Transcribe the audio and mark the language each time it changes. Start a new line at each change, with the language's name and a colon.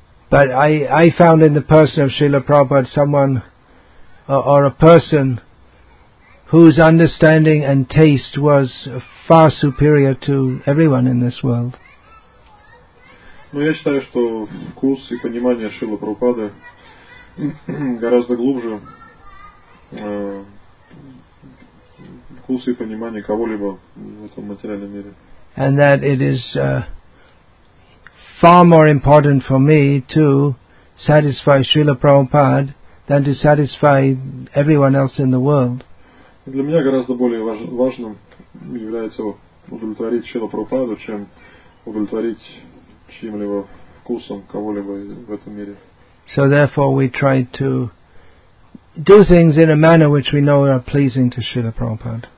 English: But I found in the person of Srila Prabhupada someone or a person whose understanding and taste was far superior to everyone in this world.
Russian: Но я считаю, что вкус и понимание Шрилы Прабхупады гораздо глубже вкус и понимание кого-либо в этом материальном мире.
English: And that it is far more important for me to satisfy Srila Prabhupada than to satisfy everyone else in the world.
Russian: Для меня гораздо более важным является удовлетворить Шрилу Прабхупаду, чем удовлетворить чьим-либо вкусом кого-либо в этом мире.
English: So therefore we try to do things in a manner which we know are pleasing to Srila Prabhupada.